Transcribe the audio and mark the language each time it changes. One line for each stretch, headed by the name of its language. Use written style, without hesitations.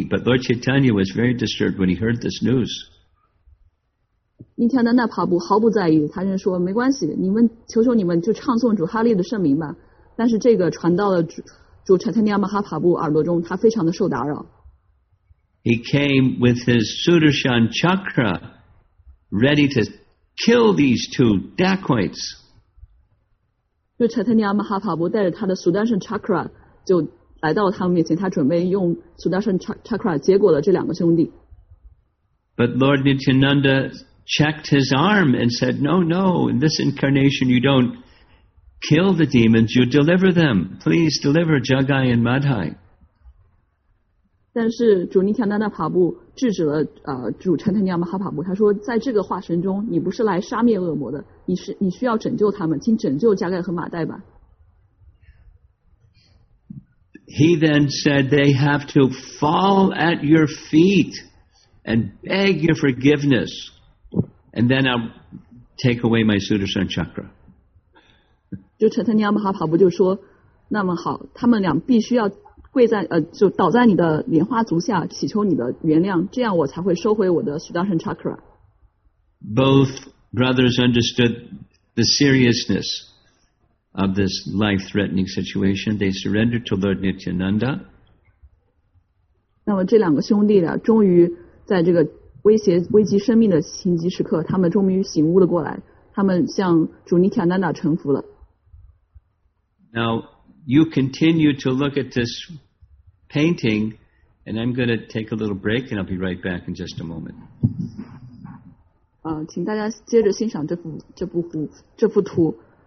English: But Lord Chaitanya was very disturbed when he heard this news.
Chinese: 尼提亚南达帕布毫不在意，他就说没关系，你们求求你们就唱颂主哈利的圣名吧。但是这个传到了主查坦尼亚马哈帕布耳朵中，他非常的受打扰。
English: He came with his Sudarshan Chakra ready to kill these two dacoits.
Chinese: 就查坦尼亚马哈帕布带着他的 Sudarshan Chakra 就来到他们面前，他准备用 Sudarshan Chakra 结果了这两个兄弟。
English: But Lord Nityananda checked his arm and said, no, no, in this incarnation you don't kill the demons, you deliver them. Please deliver Jagai and Madhai.
Chinese: 但是主尼提亚南达帕布制止了主查坦尼亚马哈帕布，他说在这个化身中你不是来杀灭恶魔的，你需要拯救他们，请拯救加盖和马代吧。
English: He then said they have to fall at your feet and beg your forgiveness and then I'll take away my Sudarshan Chakra.
Chinese: 就查坦尼亚马哈帕布就说那么好，他们俩必须要跪在就倒在你的莲花足下祈求你的原谅，这样我才会收回我的 Sudarshan Chakra.
English: Both brothers understood the seriousness of this life-threatening situation. They surrendered to Lord Nityananda.
Chinese: 那么这两个兄弟俩终于在这个危及生命的紧急时刻，他们终于醒悟了过来，他们向主尼提亚南达臣服了。
English: Now,You continue to look at this painting, and I'm going to take a little break, and I'll be right back in just a moment.
Chinese: 请大家接着欣赏这幅图。